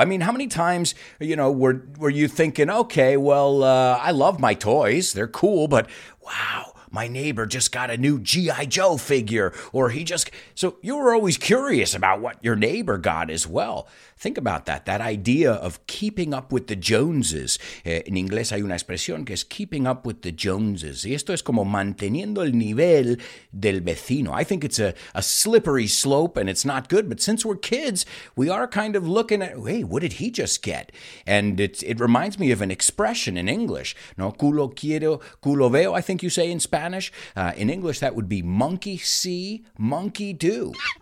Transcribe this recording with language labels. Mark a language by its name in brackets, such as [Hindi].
[English] I mean, how many times, you know, were you thinking, okay, well, I love my toys. They're cool, but wow, my neighbor just got a new G.I. Joe figure. Or he just... So you were always curious about what your neighbor got as well. Think about that. That idea of keeping up with the Joneses. In English, [Spanish] hay una expresión que es [English] keeping up with the Joneses. [Spanish] Y esto es como manteniendo el nivel del vecino. [English] I think it's a slippery slope and it's not good. But since we're kids, we are kind of looking at, hey, what did he just get? And it reminds me of an expression in English. [Spanish] No, culo quiero, culo veo, [English] I think you say in Spanish. In English, that would be monkey see, monkey do.